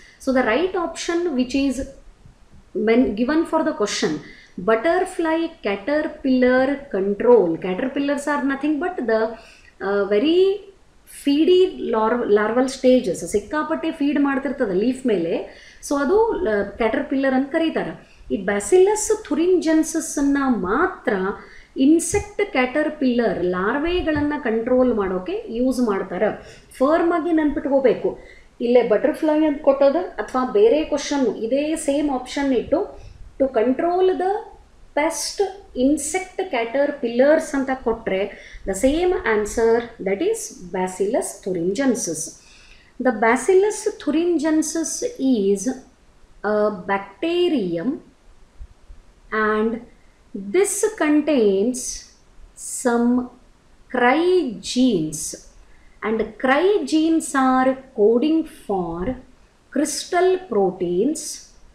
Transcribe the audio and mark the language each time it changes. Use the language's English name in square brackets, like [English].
[English] So the right option which is given for the question, butterfly caterpillar control. Caterpillars are nothing but the very feedy larval stages. [Kannada] Sikkapatte feed maadthirthada leaf mele. So adu caterpillar an karitara. ಈ bacillus ಥುರಿಂಜೆನ್ಸಸ್ಸನ್ನು ಮಾತ್ರ insect caterpillar ಲಾರ್ವೆಗಳನ್ನು control ಮಾಡೋಕ್ಕೆ use ಮಾಡ್ತಾರೆ. Firm ಆಗಿ ನೆನ್ಪಿಟ್ಕೋಬೇಕು, ಇಲ್ಲೇ butterfly ಅಂತ ಕೊಟ್ಟದ್ದು ಅಥವಾ ಬೇರೆ ಕ್ವಶನ್ನು ಇದೇ ಸೇಮ್ ಆಪ್ಷನ್ ಇಟ್ಟು [English] to control the pest insect caterpillars [Kannada] ಅಂತ ಕೊಟ್ಟರೆ [English] The same answer, that is Bacillus thuringiensis. The Bacillus thuringiensis is a bacterium and this contains some cry genes, and cry genes are coding for crystal proteins.